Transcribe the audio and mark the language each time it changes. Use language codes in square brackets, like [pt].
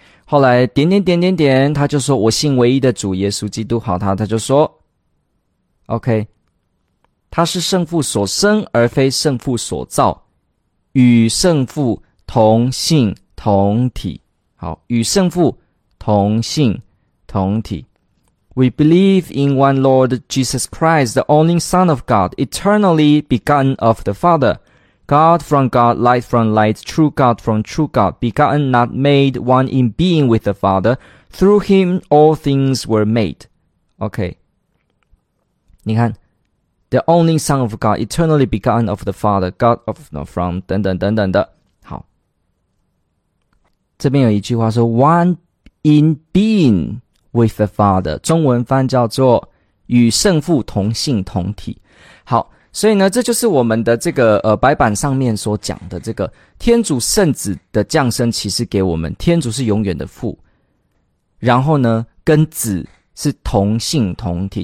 [zh] 后来点点点点点，他就说我信唯一的主耶稣基督。好，他就说 OK, 他是圣父所生而非圣父所造，与圣父同性同体。好，与圣父同性同体。 [en] We believe in one Lord Jesus Christ, the only Son of God, eternally begotten of the Father, God from God, light from light, true God from true God, begotten, not made, one in being with the Father. Through him all things were made. Okay. [zh] 你看 [en] ,the only Son of God, eternally begotten of the Father, God of, no, from, [zh] 等等等等的。好。这边有一句话说 , [en] one in being,with the Father, [zh] 中文翻叫做与圣父同性同体。好，所以呢，这就是我们的这个白板上面所讲的这个天主圣子的降生，其实给我们天主是永远的父，然后呢跟子是同性同体。